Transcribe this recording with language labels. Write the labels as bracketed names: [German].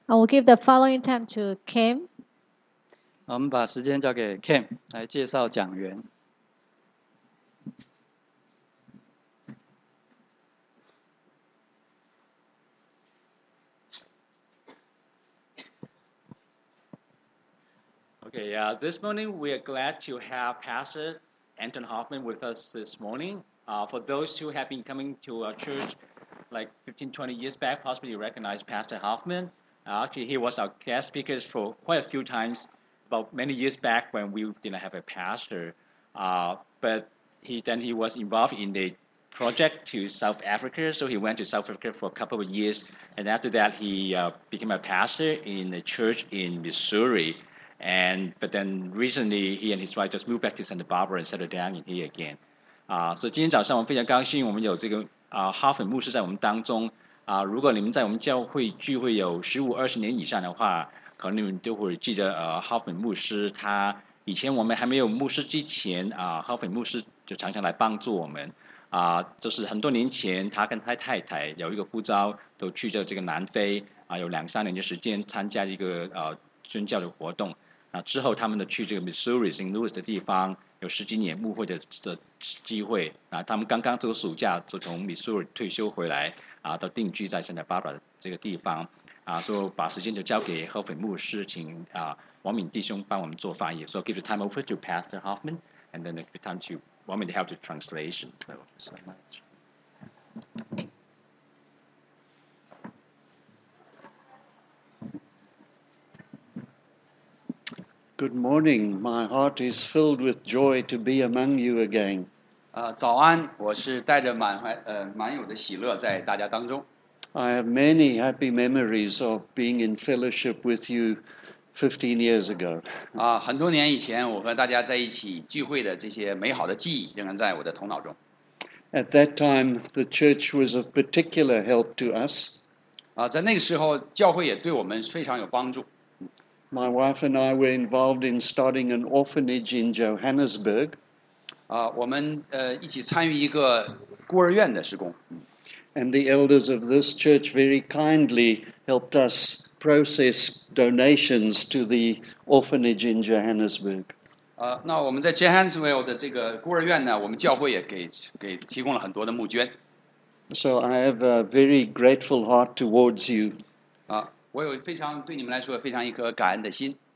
[English] I will give the following time to Kim. [Chinese] 我们把时间交给 Kim 来介绍讲员。 [English] Okay, this morning we are glad to have Pastor Anton Hoffman with us this morning. For those who have been coming to our church like 15, 20 years back, possibly you recognize Pastor Hoffman. Actually, he was our guest speaker for quite a few times about many years back when we didn't have a pastor. But he was involved in a project to South Africa, so he went to South Africa for a couple of years, and after that he became a pastor in a church in Missouri. But then recently, he and his wife just moved back to Santa Barbara and settled down in here again. [Chinese] So 今天早上我们非常高兴，我们有这个哈粉牧师在我们当中。如果你们在我们教会聚会有15-20年以上的话，可能你们都会记得哈粉牧师。他以前我们还没有牧师之前啊，哈粉牧师就常常来帮助我们。就是很多年前，他跟他太太有一个呼召，都去到这个南非有2-3年的时间参加一个宣教的活动，之后他们的去这个 Missouri St. Louis 的地方有十几年牧会的机会，他们刚刚这个暑假就从 Missouri 退休回来，都定居在 Santa Barbara 这个地方，所以把时间就交给何斐牧师，请王敏弟兄帮我们做翻译。 [English] So give the time over to Pastor Hoffman and then give the time to 王敏 to help the translation. Thank you so much. Good morning. My heart is filled with joy to be among you again. [Chinese] 早安，我是带着满有的喜乐在大家当中。 [English] I have many happy memories of being in fellowship with you 15 years ago. [Chinese] 很多年以前我和大家在一起聚会的这些美好的记忆仍然在我的头脑中。 [English] At that time, the church was of particular help to us. [Chinese] 在那个时候，教会也对我们非常有帮助。 [English] My wife and I were involved in starting an orphanage in Johannesburg. [Chinese] 我们一起参与一个孤儿院的施工。 [English] And the elders of this church very kindly helped us process donations to the orphanage in Johannesburg. [Chinese] 那我们在 Johannesburg 的这个孤儿院呢，我们教会也给提供了很多的募捐。 [English] So I have a very grateful heart towards you. [Chinese] 我有非常对你们来说非常一颗感恩的心。